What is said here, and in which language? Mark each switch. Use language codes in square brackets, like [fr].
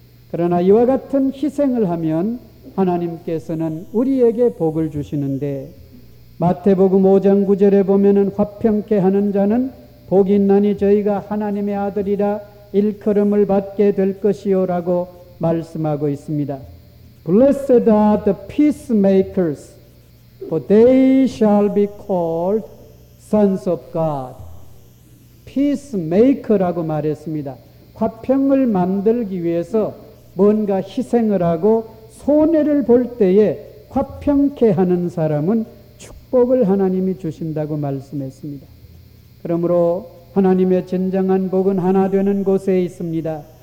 [ko] 그러나 이와 같은 희생을 하면 하나님께서는 우리에게 복을 주시는데 마태복음 5장 9절에 보면은 화평케 하는 자는 복이 있나니 저희가 하나님의 아들이라 일컬음을 받게 될 것이요라고 말씀하고 있습니다. [en] Blessed are the peacemakers, for they shall be called sons of God. [ko] Peacemaker라고 말했습니다. 화평을 만들기 위해서 뭔가 희생을 하고 손해를 볼 때에 화평케 하는 사람은 축복을 하나님이 주신다고 말씀했습니다. 그러므로 하나님의 진정한 복은 하나 되는 곳에 있습니다.